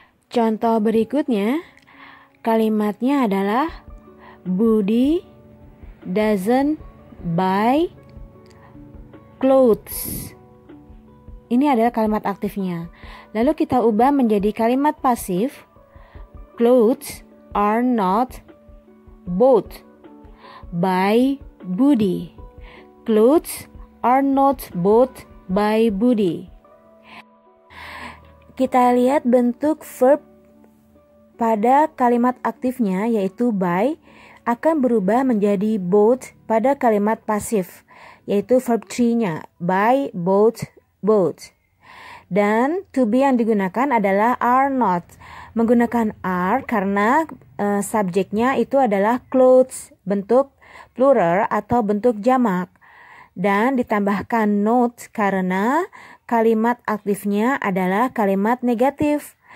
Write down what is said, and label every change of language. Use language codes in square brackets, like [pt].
[id] Contoh berikutnya, kalimatnya adalah [en] Budi doesn't buy clothes. [id] Ini adalah kalimat aktifnya. Lalu kita ubah menjadi kalimat pasif. [en] Clothes are not bought by Budi. Clothes are not bought by Budi. [id] Kita lihat bentuk verb pada kalimat aktifnya yaitu buy akan berubah menjadi bought pada kalimat pasif yaitu verb 3-nya buy, bought, bought. Dan to be yang digunakan adalah are not. Menggunakan are karena subjeknya itu adalah clothes bentuk plural atau bentuk jamak dan ditambahkan not karena kalimat aktifnya adalah kalimat negatif.